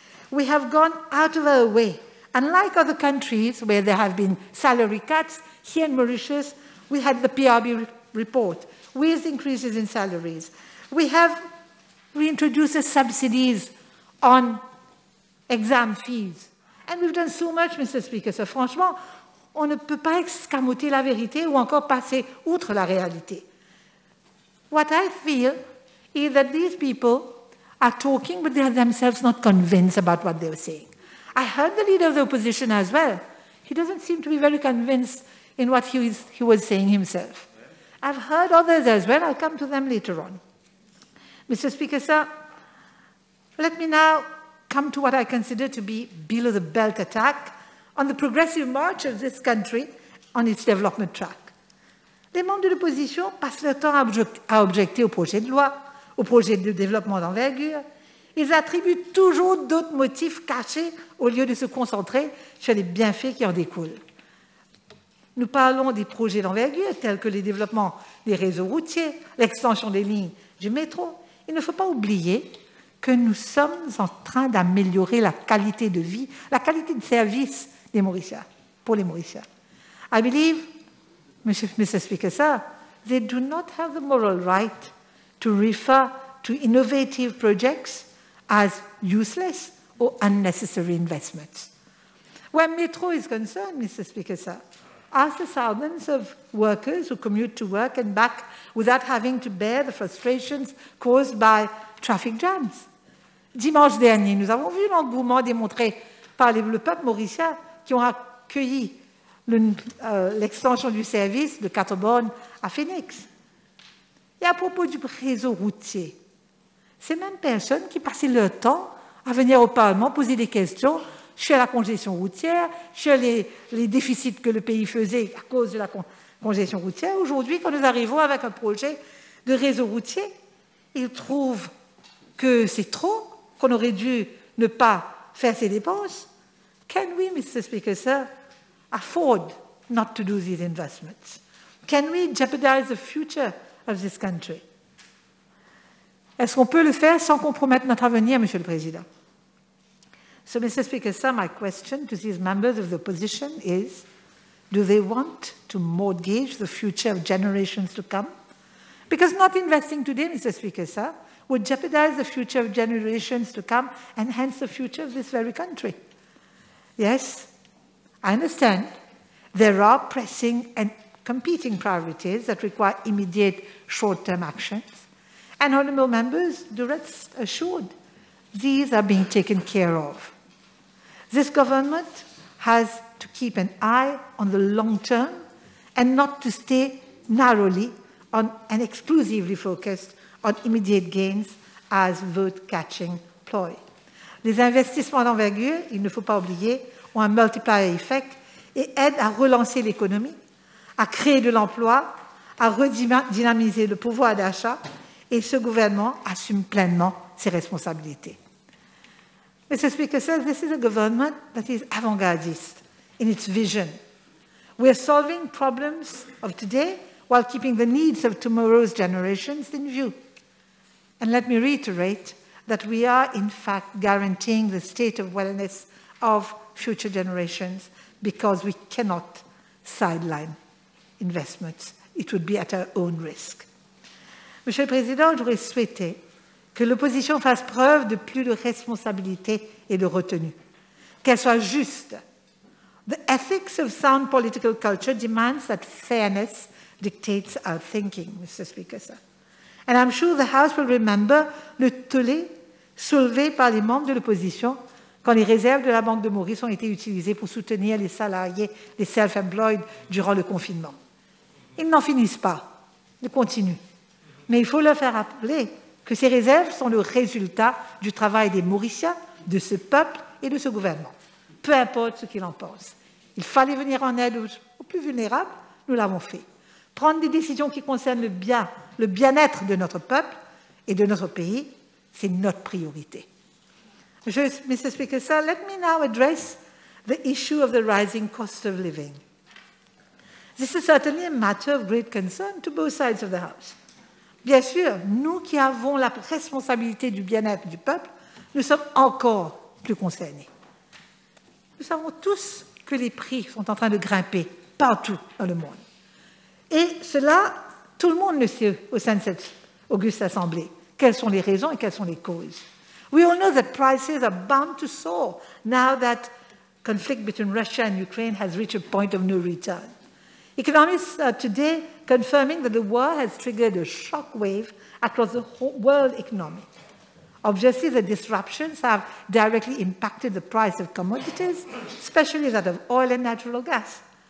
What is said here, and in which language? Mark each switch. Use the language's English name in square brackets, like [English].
[English] We have gone out of our way. Unlike other countries where there have been salary cuts, here in Mauritius, we had the PRB report with increases in salaries. We have reintroduced the subsidies on exam fees. And we've done so much, Mr. Speaker. [French] So, franchement, on ne peut pas escamoter la vérité ou encore passer outre la réalité. [English] What I feel is that these people are talking, but they are themselves not convinced about what they are saying. I heard the leader of the opposition as well. He doesn't seem to be very convinced in what he was saying himself. I've heard others as well. I'll come to them later on. Mr. Speaker, sir, let me now come to what I consider to be below the belt attack on the progressive march of this country on its development track. [French] Les membres de l'opposition passent leur temps à objecter au projet de loi, au projet de développement d'envergure. Ils attribuent toujours d'autres motifs cachés au lieu de se concentrer sur les bienfaits qui en découlent. Nous parlons des projets d'envergure tels que les développements des réseaux routiers, l'extension des lignes du métro. Il ne faut pas oublier que nous sommes en train d'améliorer la qualité de vie, la qualité de service des Mauriciens, pour les Mauriciens. [English] I believe, Mr. Speaker, sir, they do not have the moral right to refer to innovative projects as useless or unnecessary investments. Where Metro is concerned, Mr. Speaker, sir, as the thousands of workers who commute to work and back without having to bear the frustrations caused by traffic jams. [French] Dimanche dernier, nous avons vu l'engouement démontré par le peuple mauricien qui ont accueilli l'extension du service de Quatre-Bornes à Phoenix. Et à propos du réseau routier, ces mêmes personnes qui passaient leur temps à venir au Parlement poser des questions sur la congestion routière, sur les déficits que le pays faisait à cause de la congestion routière. Aujourd'hui, quand nous arrivons avec un projet de réseau routier, ils trouvent que c'est trop, qu'on aurait dû ne pas faire ces dépenses. [English] Can we, Mr. Speaker, sir, afford not to do these investments? Can we jeopardize the future of this country? [French] Est-ce qu'on peut le faire sans compromettre notre avenir, Monsieur le Président? [English] So, Mr. Speaker, sir, my question to these members of the opposition is, do they want to mortgage the future of generations to come? Because not investing today, Mr. Speaker, sir, would jeopardize the future of generations to come and hence the future of this very country. Yes, I understand there are pressing and competing priorities that require immediate short-term actions. And honourable members, do rest assured, these are being taken care of. This government has to keep an eye on the long term and not to stay narrowly on and exclusively focused on immediate gains as vote-catching ploy. [French] Les investissements d'envergure, il ne faut pas oublier, ont un [English] multiplier effect [French] et aident à relancer l'économie, à créer de l'emploi, à redynamiser le pouvoir d'achat, et ce gouvernement assume pleinement ses responsabilités. [English] Mr. Speaker, sir, this is a government that is avant-gardist in its vision. We are solving problems of today while keeping the needs of tomorrow's generations in view. And let me reiterate that we are, in fact, guaranteeing the state of wellness of future generations because we cannot sideline investments. It would be at our own risk. [French] Monsieur le Président, j'aurais souhaité que l'opposition fasse preuve de plus de responsabilité et de retenue, qu'elle soit juste. [English] The ethics of sound political culture demands that fairness dictates our thinking, Mr. Speaker, sir. And I'm sure the House will remember [French] le tollé soulevé par les membres de l'opposition quand les réserves de la Banque de Maurice ont été utilisées pour soutenir les salariés, les self-employed, durant le confinement. Ils n'en finissent pas, ils continuent. Mais il faut leur faire rappeler que ces réserves sont le résultat du travail des Mauriciens, de ce peuple et de ce gouvernement, peu importe ce qu'ils en pensent. Il fallait venir en aide aux plus vulnérables, nous l'avons fait. Prendre des décisions qui concernent le bien-être de notre peuple et de notre pays, c'est notre priorité. [English] Mr. Speaker, sir, let me now address the issue of the rising cost of living. This is certainly a matter of great concern to both sides of the House. [French] Bien sûr, nous qui avons la responsabilité du bien-être du peuple, nous sommes encore plus concernés. Nous savons tous que les prix sont en train de grimper partout dans le monde. Et cela, tout le monde le sait au sein de cette auguste assemblée. Quelles sont les raisons et quelles sont les causes? [English] We all know that prices are bound to soar now that conflict between Russia and Ukraine has reached a point of no return. Economists are today confirming that the war has triggered a shock wave across the whole world economy. Obviously, the disruptions have directly impacted the price of commodities, especially that of oil and natural gas.